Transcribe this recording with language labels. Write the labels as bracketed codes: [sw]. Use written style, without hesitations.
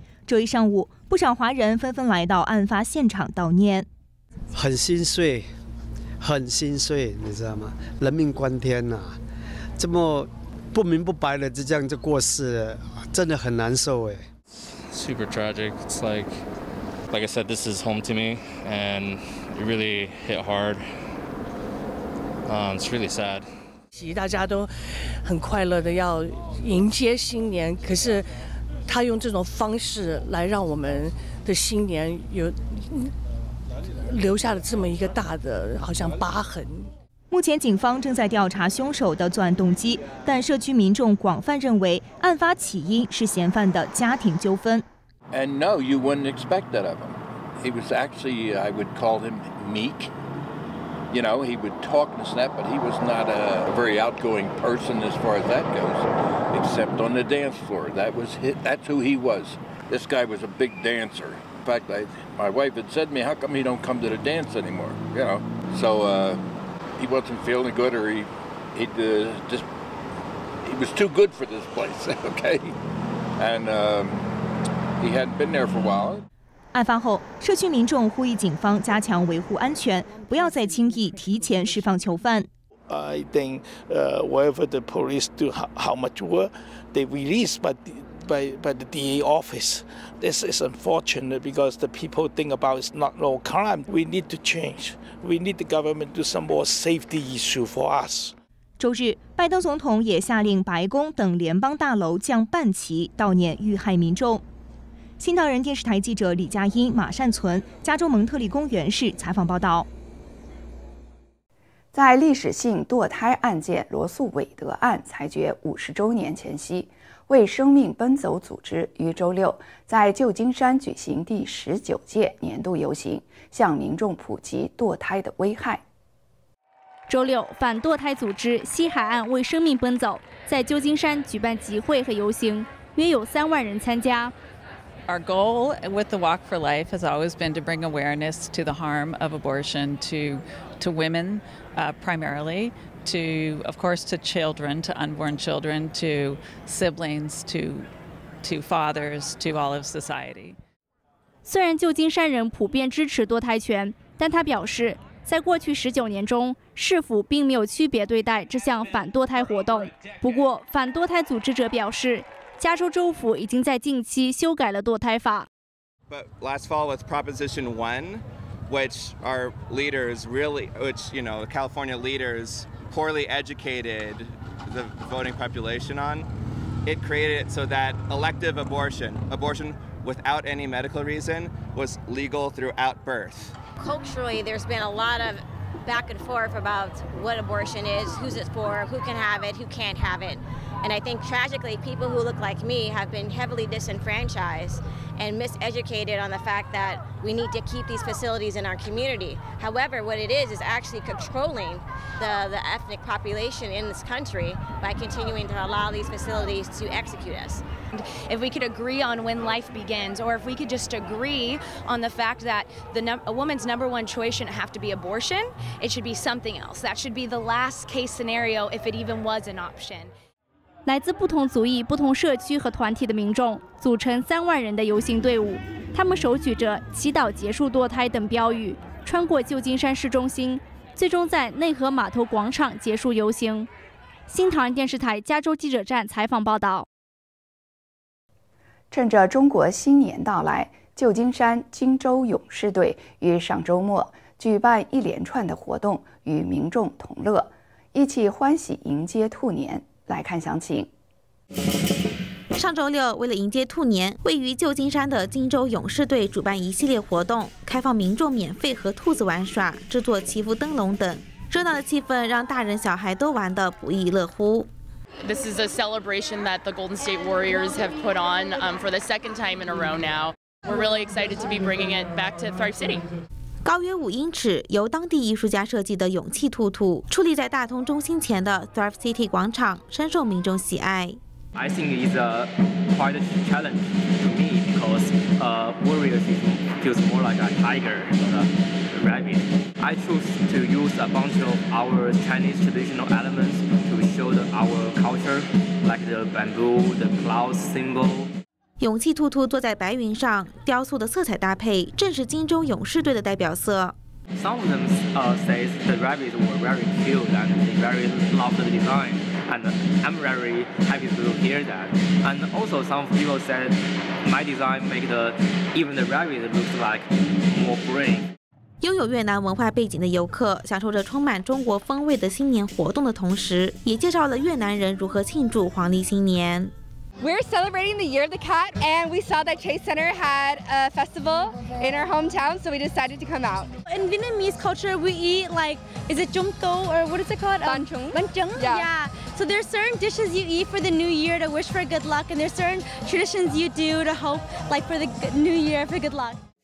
[zh] 周一上午，不少华人纷纷来到案发现场悼念。很心碎，很心碎，你知道吗？人命关天呐、啊，这么不明不白的就这样就过世了，真的很难受哎。 [en] Super tragic. It's like I said, this is home to me, and it really hit hard. It's really sad. [zh] 大家都很快乐的要迎接新年，可是。他用这种方式来让我们的新年有留下了这么一个大的好像疤痕。目前警方正在调查凶手的作案动机，但社区民众广泛认为案发起因是嫌犯的家庭纠纷。 [en] And no, you wouldn't expect that of him. He was actually, I would call him meek. You know, he would talk and snap, but he was not a very outgoing person as far as that goes. Except on the dance floor, that's who he was. This guy was a big dancer. In fact, my wife had said to me, "How come he don't come to the dance anymore?" You know. So, he wasn't feeling good, or he was too good for this place, okay? And he hadn't been there for a while. [zh] 案发后，社区民众呼吁警方加强维护安全，不要再轻易提前释放囚犯。 [en] I think whatever the police do, how much work they release by the DA office, this is unfortunate because the people think about it's not low crime. We need to change. We need the government to do some more safety issue for us. [zh] 周日，拜登总统也下令白宫等联邦大楼降半旗悼念遇害民众。新唐人电视台记者李佳音、马善存，加州蒙特利公园市采访报道。在历史性堕胎案件罗素韦德案裁决50周年前夕，为生命奔走组织于周六在旧金山举行第19届年度游行，向民众普及堕胎的危害。周六，反堕胎组织西海岸为生命奔走在旧金山举办集会和游行，约有30,000人参加。 [en] Our goal with the Walk for Life has always been to bring awareness to the harm of abortion to women, primarily, to, of course, to children, to unborn children, to siblings, to fathers, to all of society. [zh] 虽然旧金山人普遍支持堕胎权，但他表示，在过去19年中，市府并没有区别对待这项反堕胎活动。不过，反堕胎组织者表示，加州州府已经在近期修改了堕胎法。 [en] But last fall with Proposition 1, which our leaders really, which, you know, California leaders poorly educated the voting population on, it created so that elective abortion without any medical reason, was legal throughout birth. Culturally, there's been a lot of back and forth about what abortion is, who's it for, who can have it, who can't have it. And I think tragically, people who look like me have been heavily disenfranchised and miseducated on the fact that we need to keep these facilities in our community. However, what it is actually controlling the ethnic population in this country by continuing to allow these facilities to execute us. If we could agree on when life begins, or if we could just agree on the fact that a woman's number one choice shouldn't have to be abortion, it should be something else. That should be the last case scenario if it even was an option. [zh] 来自不同族裔、不同社区和团体的民众组成30,000人的游行队伍，他们手举着“祈祷结束堕胎”等标语，穿过旧金山市中心，最终在内河码头广场结束游行。新唐人电视台加州记者站采访报道。趁着中国新年到来，旧金山金州勇士队于上周末举办一连串的活动，与民众同乐，一起欢喜迎接兔年。来看详情。上周六，为了迎接兔年，位于旧金山的金州勇士队主办一系列活动，开放民众免费和兔子玩耍，制作祈福灯笼等，热闹的气氛让大人小孩都玩得不亦乐乎。 [en] This is a celebration that the Golden State Warriors have put on for the second time in a row now. We're really excited to be bringing it back to Thrive City. [zh] 高约5英尺，由当地艺术家设计的勇气兔兔，矗立在大通中心前的 Thrive City 广场，深受民众喜爱。 [en] I think it's a quite a challenge to me because warrior feels more like a tiger or a rabbit. I choose to use a bunch of our Chinese traditional elements to show our culture, like the bamboo, the cloud symbol. [zh] 勇气兔兔坐在白云上，雕塑的色彩搭配正是金州勇士队的代表色。 [en] Some of them say the rabbits were very cute and they very love the design, and I'm very happy to hear that. And also some people said my design make even the rabbit looks like more green. [zh] 拥有越南文化背景的游客享受着充满中国风味的新年活动的同时，也介绍了越南人如何庆祝黄历新年。 [en] We're celebrating the Year of the Cat, and we saw that Chase Center had a festival in our hometown, so we decided to come out. In Vietnamese culture, we eat like, is it Trung Thu or what is it called? Ban Chung. Ban Chung, yeah. So there's certain dishes you eat for the new year to wish for good luck, and there's certain traditions you do to hope, like for the new year, for good luck.